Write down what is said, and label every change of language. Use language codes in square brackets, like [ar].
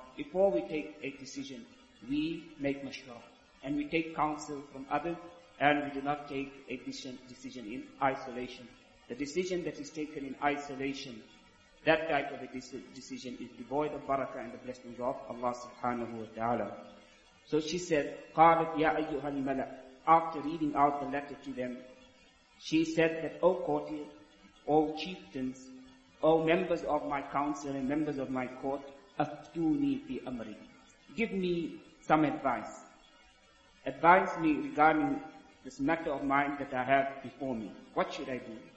[en] Before we take a decision, we make mashwara and we take counsel from others and we do not take a decision in isolation. The decision that is taken in isolation, that type of a decision is devoid of barakah and the blessings of Allah subhanahu wa ta'ala. So she said, [ar] قَالَتْ يَا أَيُّهَا الْمَلَأُ. [en] After reading out the letter to them, she said that, O courtier, O chieftains, O members of my council and members of my court, [ar] أَفْتُونِي فِي أَمْرِي. [en] Give me some advice. Advise me regarding this matter of mine that I have before me. What should I do?